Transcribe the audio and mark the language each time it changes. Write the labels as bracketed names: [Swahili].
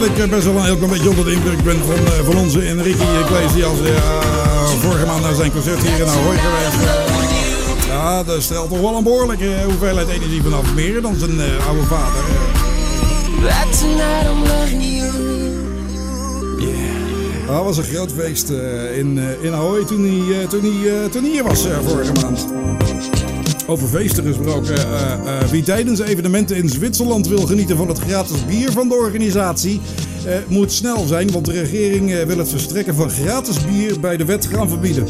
[Dutch] Best wel ook een beetje onder de indruk ben van onze Enrique Iglesias. Vorige maand naar zijn concert hier in Ahoy geweest. Ja, dat stelt toch wel een behoorlijke hoeveelheid energie vanaf. Meer dan zijn oude vader. [English] But tonight I'm loving you. Yeah. [Dutch] Dat was een groot feest in Ahoy toen hij hier was vorige maand. Over feesten gesproken. Wie tijdens evenementen in Zwitserland wil genieten van het gratis bier van de organisatie, moet snel zijn, want de regering wil het verstrekken van gratis bier bij de wet gaan verbieden.